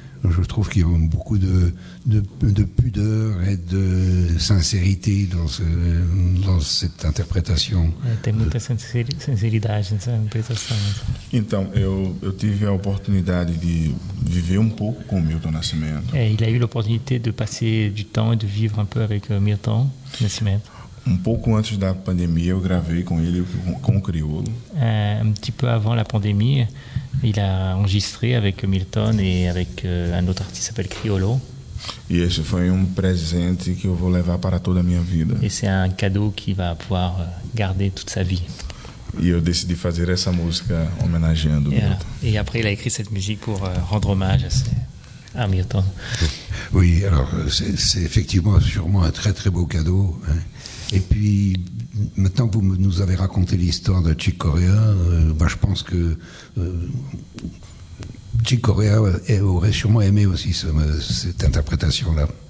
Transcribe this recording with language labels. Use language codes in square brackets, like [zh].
[fr] Je trouve qu'il y a beaucoup de pudeur et de sincérité dans cette interprétation. [pt] Tem muita sinceridade nessa interpretação. Então, eu tive a oportunidade de viver pouco com Milton Nascimento. [fr] Il a eu l'opportunité de passer du temps et de vivre un peu avec Milton Nascimento. [pt] Pouco antes da pandemia, eu gravei com ele com o Criolo. [fr] Un petit peu avant la pandémie, il a enregistré avec Milton et avec un autre artiste qui s'appelle Criolo. [pt] E esse foi presente que eu vou levar para toda a minha vida. [fr] Et c'est un cadeau qu'il va pouvoir garder toute sa vie. [pt] E eu decidi fazer essa música homenageando Milton. [fr] Et après, il a écrit cette musique pour rendre hommage à Milton. Oui, alors c'est effectivement sûrement un très très beau cadeau, hein. Et puis, maintenant que vous nous avez raconté l'histoire de Chick Corea, je pense que Chick Corea aurait sûrement aimé aussi cette interprétation-là.